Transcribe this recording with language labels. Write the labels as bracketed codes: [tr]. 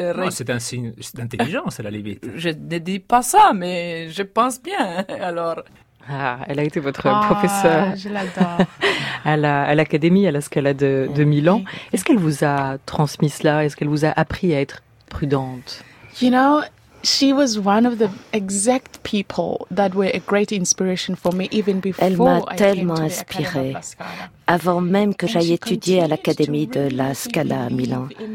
[fr] C'est un signe d'intelligence, à la limite. Je ne dis pas ça, mais je pense bien, alors... Ah, elle a été votre professeur. Je l'adore. À l'Académie, à la Scala de Milan. Est-ce qu'elle vous a transmis cela? Est-ce qu'elle vous a appris à être prudente? [en] You know... She was one of the exact people that were a great inspiration for me even before. [fr] Elle m'a tellement inspirée avant même que j'aille étudier à l'Académie de la Scala à Milan.